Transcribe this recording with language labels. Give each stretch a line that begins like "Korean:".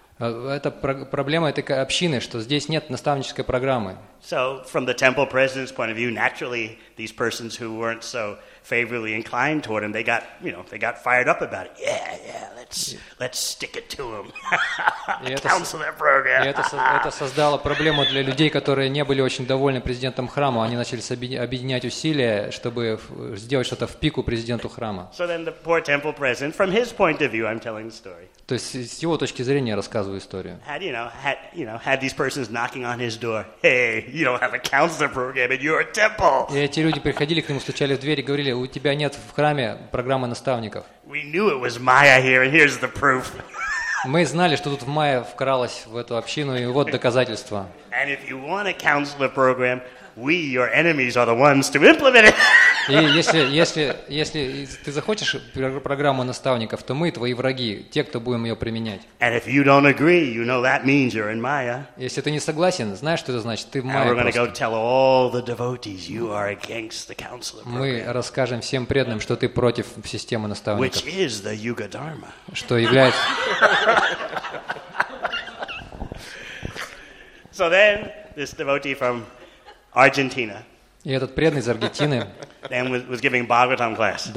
Russian: Это проблема этой общины, что здесь нет наставнической программы.
English: So, from the temple president's point of view, naturally, these persons who weren't so favorably inclined toward him, they got, you know, they got fired up about it. Yeah, let's stick it to him. Counselor program.
Russian: Это создало проблему для людей, которые не были очень довольны президентом храма. Они начали объединять усилия, чтобы сделать что-то в пику президенту храма.
English: So then the poor temple president, from his point of view, I'm telling the story.
Russian: То есть с его точки зрения я рассказываю историю.
English: Had these persons knocking on his door. Hey, you don't have a counselor program in your temple.
Russian: И эти люди приходили к нему, стучали в дверь и говорили: у тебя нет в храме программы наставников.
English: We knew it was Maya here, and here's the proof.
Russian: Мы знали, что тут в Майя вкралась в эту общину, и вот доказательство.
English: And if you want a counselor program, we, your enemies, are the ones to implement it.
Russian: И если ты захочешь программу наставников, то мы твои враги, те, кто будем ее применять.
English: And if you don't agree, you know that means you're in Maya.
Russian: Если ты не согласен, знаешь, что это значит? Ты в Майя.
English: And we're going to go tell all the devotees you are against the counselor program.
Russian: Мы расскажем всем преданным, что ты против системы наставников.
English: Which is the Yuga Dharma.
Russian: Что является.
English: So then this devotee from Argentina.
Russian: И этот преданный из Аргентины
English: was giving Bhagavatam class.